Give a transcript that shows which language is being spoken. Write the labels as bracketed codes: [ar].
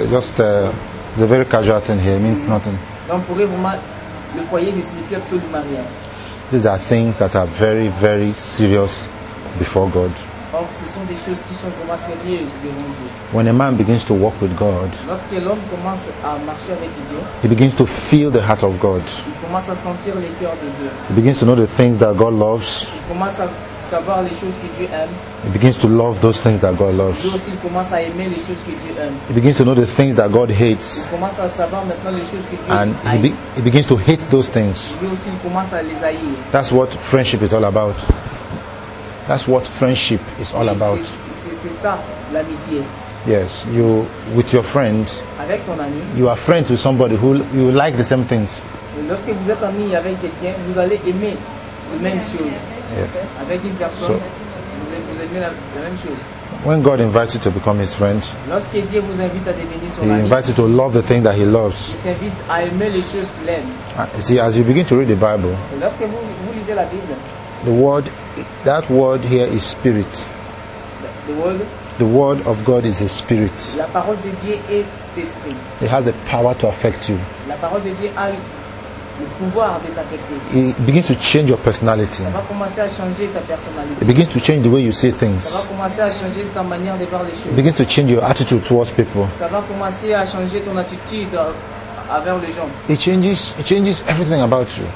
[en] Just it's a very casual thing here. It means nothing. [fr] Donc pour eux, vraiment, le foyer ne signifie absolument rien. [en] These are things that are very, very serious before God. [fr] Or, ce sont des choses qui sont vraiment sérieuses devant Dieu. [en] When a man begins to walk with God, [fr] lorsque l'homme commence à marcher avec Dieu, [en] he begins to feel the heart of God. [fr] Il commence à sentir le cœur de Dieu. [en] He begins to know the things that God loves. [fr] Il commence à savoir les choses que Dieu aime. [en] He begins to love those things that God loves. [fr] Lui aussi, il commence à aimer les choses que Dieu aime. [en] He begins to know the things that God hates. [fr] Il commence à savoir maintenant les choses que Dieu [en] and [fr] aime. [en] He begins to hate those things. [fr] Lui aussi, il commence à les haïr. [en] That's what friendship is all about. That's what friendship is all about. [fr] C'est ça, l'amitié. [en] Yes, you with your friend. [fr] Avec ton ami, [en] you are friends with somebody who you like the same things. [fr] Lorsque vous êtes ami avec quelqu'un, vous allez aimer les mêmes choses. [en] Yes. [fr] Avec une personne, so, vous aimez la même chose. [en] When God invites you to become His friend, [fr] lorsque Dieu vous invite à devenir son [en] he [fr] ami, [en] He invites you to love the thing that He loves. [fr] Il t'invite à aimer les choses qu'il aime. [en] See, as you begin to read the Bible, [fr] lorsque vous lisez la Bible, [en] the word. That word here is spirit. The word of God is a spirit. [fr] La parole de Dieu est esprit. [en] It has the power to affect you. [fr] La parole de Dieu a le pouvoir de t'affecter. [en] It begins to change your personality. [fr] Ça va commencer à changer ta personnalité. [en] It begins to change the way you see things. [fr] Ça va commencer à changer ta manière de voir les choses. [en] It begins to change your attitude towards people. [fr] Ça va commencer à changer ton attitude envers les gens. [en] It changes everything about you.